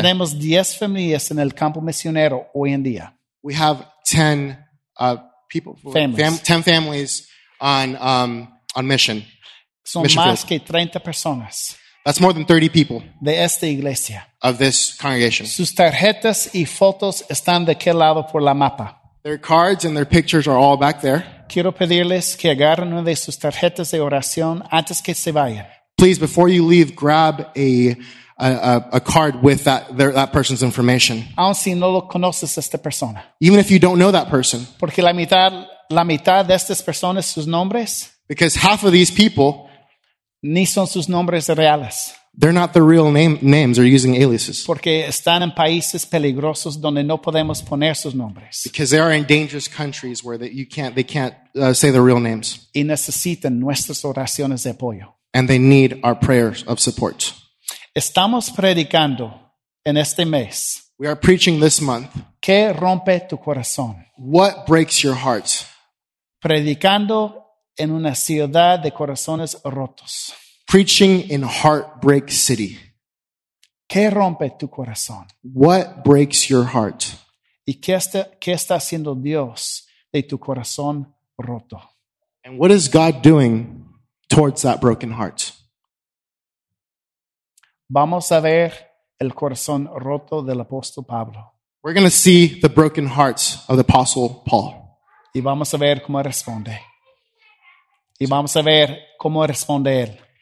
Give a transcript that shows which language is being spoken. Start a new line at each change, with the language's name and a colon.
Spanish: Tenemos 10 familias en el campo misionero hoy en día.
English: We have 10 people, families. 10 families on mission.
Spanish: Son mission más field. Que 30 personas.
English: That's more than 30 people
Spanish: de esta iglesia.
English: Of this congregation.
Spanish: Sus tarjetas y fotos están de aquel lado por la mapa.
English: Their cards and their pictures are all back there.
Spanish: Quiero pedirles que agarren una de sus tarjetas de oración antes que se vayan.
English: Please, before you leave, grab a card with that person's information.
Spanish: Aun si no lo conoces esta persona.
English: Even if you don't know that person.
Spanish: Porque la mitad de estas personas, sus nombres.
English: Because half of these people.
Spanish: Ni son sus nombres reales.
English: They're not the real names. They're using aliases.
Spanish: Porque están en países peligrosos donde no podemos poner sus nombres.
English: Because they are in dangerous countries where they can't say their real names.
Spanish: Y necesitan nuestras oraciones de apoyo.
English: And they need our prayers of support.
Spanish: Estamos predicando en este mes.
English: We are preaching this month.
Spanish: ¿Qué rompe tu corazón?
English: What breaks your heart?
Spanish: Predicando en una ciudad de corazones rotos.
English: Preaching in heartbreak city.
Spanish: ¿Qué rompe tu corazón?
English: What breaks your heart?
Spanish: ¿Y qué está haciendo Dios de tu corazón roto?
English: And what is God doing towards that broken heart?
Spanish: Vamos a ver el corazón roto del apóstol Pablo.
English: We're going to see the broken hearts of the apostle Paul.
Spanish: Y vamos a ver cómo responde. Y vamos a ver cómo responde él.